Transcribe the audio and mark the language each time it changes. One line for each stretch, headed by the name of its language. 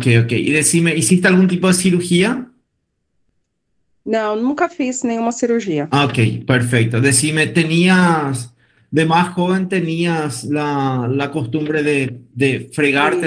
Spanish: E decime, ¿hiciste algún tipo de cirugía?
Portuguese: Não, nunca fiz nenhuma cirurgia.
Spanish: Perfecto. Decime, ¿tenías, de más joven, tenías la costumbre de fregarte